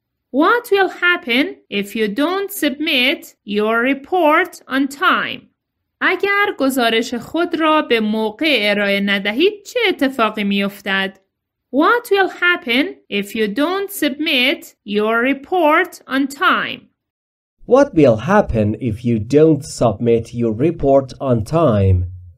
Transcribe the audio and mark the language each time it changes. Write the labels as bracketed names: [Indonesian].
[English] What will happen if you don't submit your report on time? [Persian] اگر گزارش خود را به موقع ارائه ندهید چه اتفاقی می افتد؟ [English] What will happen if you don't submit your report on time? What will happen if you don't submit your report on time?